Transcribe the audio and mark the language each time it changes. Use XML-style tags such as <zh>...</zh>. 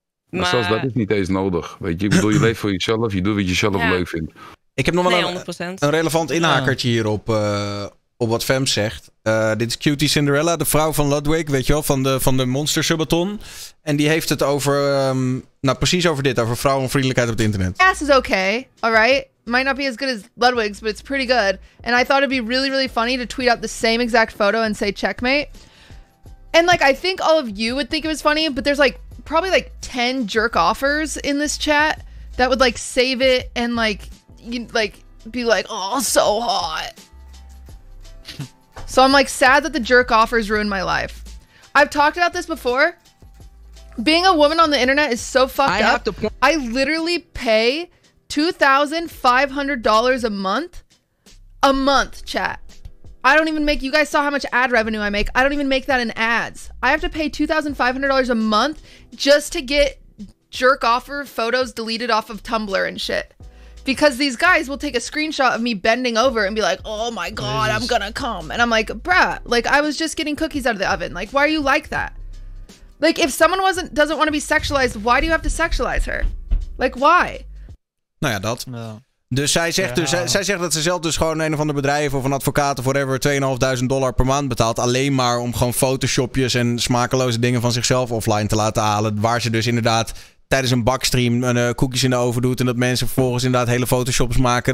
<nl>Maar zelfs dat is niet eens nodig. Weet je? Ik bedoel, je leeft voor jezelf, je doet wat je zelf leuk vindt. Ik heb nog wel 100%. Een relevant inhakertje hierop. Op wat Fem zegt. Dit is Cutie Cinderella, de vrouw van Ludwig, weet je wel, van de Monster Subaton. En die heeft het over, precies over dit, over vrouwenvriendelijkheid op het internet.</nl> <en>Cast is okay, all right? Might not be as good as Ludwig's, but it's pretty good. And I thought it'd be really, really funny to tweet out the same exact photo and say checkmate. And like, I think all of you would think it was funny, but there's like, probably like 10 jerk offers in this chat that would like save it and like, you, like be like, oh, so hot. So I'm like sad that the jerk offers ruined my life. I've talked about this before. Being a woman on the internet is so fucked up. I literally pay $2,500 a month, chat. I don't even make, you guys saw how much ad revenue I make. I don't even make that in ads. I have to pay $2,500 a month just to get jerk offer photos deleted off of Tumblr and shit. Because these guys will take a screenshot of me bending over and be like, oh my God, Jesus. I'm gonna come. And I'm like, bruh, like I was just getting cookies out of the oven. Like, why are you like that? Like, if someone doesn't want to be sexualized, why do you have to sexualize her? Like, why?</en> <nl>Nou ja, dat. Ja. Dus zij zegt, zij zegt dat ze zelf dus gewoon een of ander bedrijf of een advocaat of whatever $2,500 per maand betaalt. Alleen maar om gewoon photoshopjes en smakeloze dingen van zichzelf offline te laten halen. Waar ze dus inderdaad... tijdens een bakstream koekjes in de oven doet... en dat mensen vervolgens inderdaad hele photoshops maken...</nl>